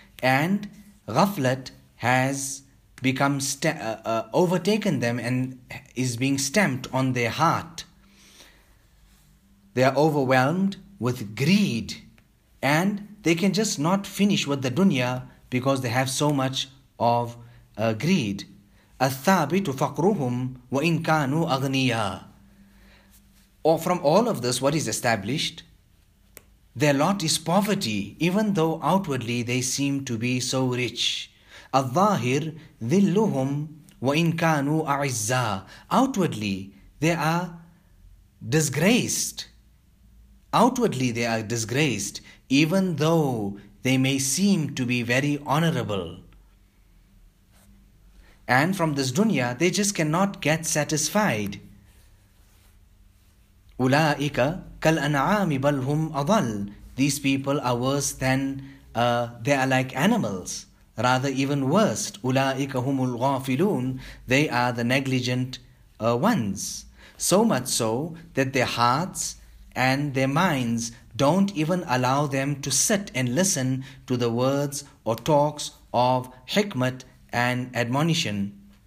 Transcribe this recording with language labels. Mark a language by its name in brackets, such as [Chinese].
[English] And ghaflat has become overtaken them and is being stamped on their heart. They are overwhelmed with greed and they can just not finish with the dunya because they have so much of greed. [Arabic] الثابت فقرهم وإن كانوا أغنياء. [English] Or from all of this, what is established? Their lot is poverty, even though outwardly they seem to be so rich. [Arabic] الظاهر ذلهم وإن كانوا أعزاء. [English] Outwardly, they are disgraced. Outwardly, they are disgraced, even though they may seem to be very honorable. And from this dunya, they just cannot get satisfied. [Arabic] أولئك كالأنعام بل هم أضل. [English] These people are worse than, they are like animals. Rather even worse. [Arabic] أولئك هم الغافلون. [English] They are the negligent ones. So much so that their hearts and their minds don't even allow them to sit and listen to the words or talks of hikmat and admonition.